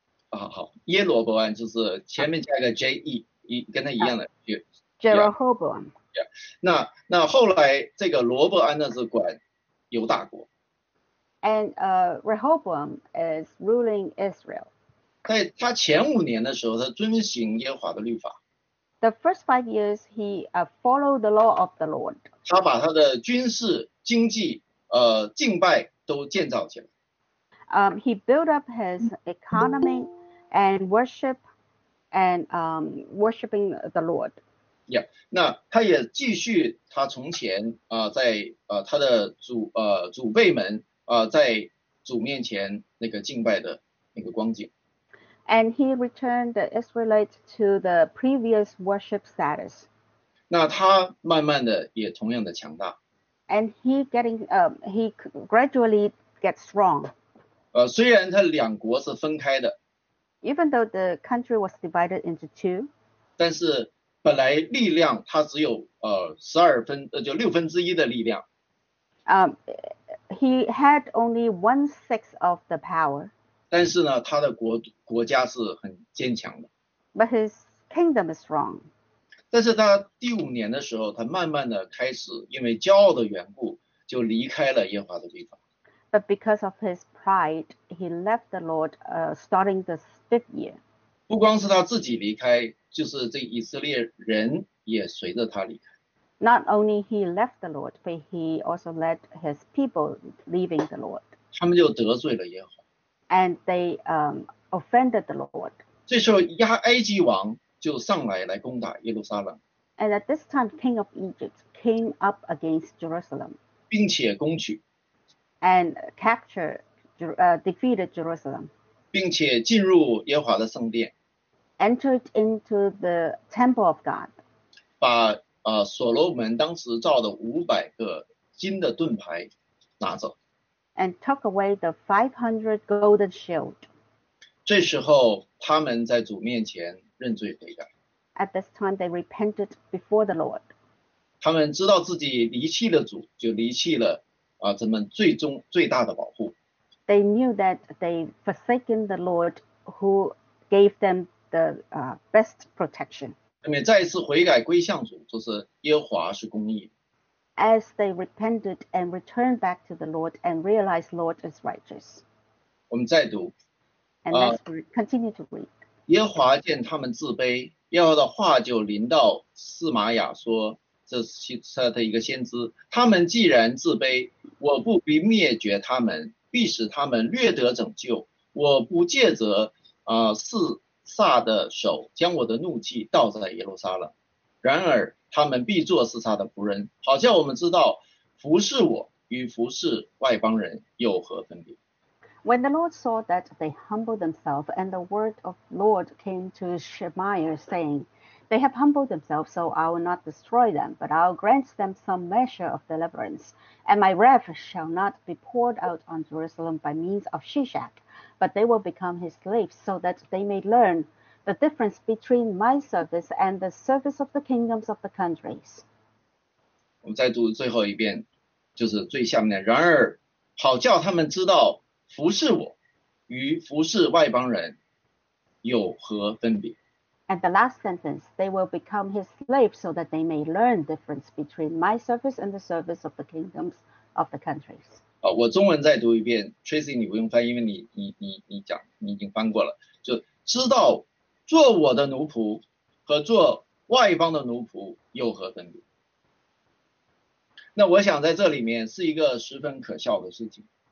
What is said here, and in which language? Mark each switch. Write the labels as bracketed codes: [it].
[zh] 好，耶罗伯安就是前面加一个 J-E, 跟他一样的。 [en] Jeroboam. Yeah. [zh] 那后来这个罗伯安呢是管犹大国。 [en] And Rehoboam is ruling Israel. [zh] 在他前5年的时候，他遵行耶和华的律法。 [en] The first 5 years, he followed the law of the Lord. [zh] 他把他的军事、经济、敬拜都建造起来。 [en] He built up his economy and worship and worshiping the Lord. [zh] Yeah, 那他也继续他从前在他的祖辈们在主面前那个敬拜的那个光景。 [en] And he returned the Israelites to the previous worship status. [zh] 那他慢慢的也同样的强大。 [en] And he gradually gets strong. [zh] 虽然他两国是分开的， [en] Even though the country was divided into two, [zh] 但是本来力量他只有就1/6的力量。 [en] he had only 1/6 of the power. [zh] 但是呢，他的国家是很坚强的。 [en] But his kingdom is strong. [zh] 但是他第五年的时候，他慢慢的开始因为骄傲的缘故，就离开了耶和华的律法。 [en] But because of his pride, he left the Lord, starting the 5th year. [zh] 不光是他自己离开，就是这以色列人也随着他离开。 [en] Not only he left the Lord, but he also led his people leaving the Lord. [zh] 他们就得罪了耶和华。 [en] And they offended the Lord. [zh] 这时候，埃及王就上来攻打耶路撒冷， [en] And at this time, King of Egypt came up against Jerusalem. [zh] 并且攻取， [en] And captured, defeated Jerusalem. [zh] 并且进入耶和华的圣殿， [en] Entered into the temple of God. [zh] 把所罗门当时造的500个金的盾牌拿走。 [en] And took away the 500 golden shield. [zh] 这时候，他们在主面前认罪悔改。 [en] At this time, they repented before the Lord. [zh] 他们知道自己离弃了主，就离弃了咱们最大的保护。 [en] They knew that they forsaken the Lord who gave them the best protection. [zh] 他们再一次悔改归向主，就是耶和华是公义。 [en] As they repented and returned back to the Lord and realized the Lord is righteous. [zh] 我们再读， [en] And let's continue to read. [zh] 耶和华见他们自卑，耶和华的话就临到示玛雅说，这是他的一个先知，他们既然自卑，我不必灭绝他们，必使他们略得拯救，我不借着撒的手将我的怒气倒在耶路撒冷，然而他们必做示撒的仆人，好叫我们知道服侍我与服侍外邦人有何分别。 [en] When the Lord saw that they humbled themselves, and the word of the Lord came to Shemaiah, saying, They have humbled themselves, so I will not destroy them, but I will grant them some measure of deliverance, and my wrath shall not be poured out on Jerusalem by means of Shishak, but they will become his slaves, so that they may learn the difference between my service and the service of the kingdoms of the countries. [zh] 我们再读最后一遍，就是最下面的。然而，好叫他们知道服侍我与服侍外邦人有何分别。 [en] And the last sentence, they will become his slaves so that they may learn the difference between my service and the service of the kingdoms of the countries. [zh] 我中文再读一遍，Tracy，你不用翻，因为你已经翻过了。就知道做我的奴仆和做外邦的奴仆有何分别？那我想在这里面是一个十分可笑的事情。